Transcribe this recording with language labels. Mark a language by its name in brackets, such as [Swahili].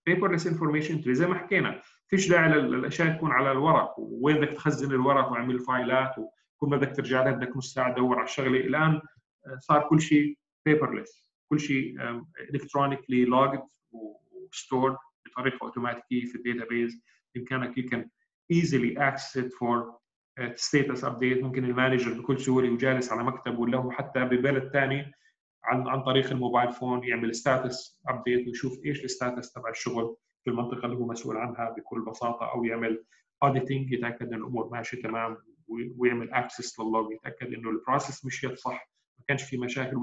[Arabic] بيبرلس انفورميشن, زي ما حكينا فيش داعي للاشياء تكون على الورق, وين بدك تخزن الورق وعمل فايلات, وكل ما بدك ترجع لها بدك نص ساعه تدور على الشغله. الان صار كل شيء بيبرلس, كل شيء الكترونيكلي لوجد وستورد بطريقة أوتوماتيكية في الداتابيز. بإمكانك [English] you can easily access it for status update. [Arabic] ممكن المانجر بكل سهولة وجالس على مكتبه له حتى ببلد تاني عن طريق الموبايل فون يعمل status update ويشوف إيش status تبع الشغل في المنطقة اللي هو مسؤول عنها بكل بساطة, أو يعمل auditing يتأكد أن الأمور ماشية تمام, ويعمل access للوج يتأكد أنه البروسيس مشيت صح, ما كانش في مشاكل.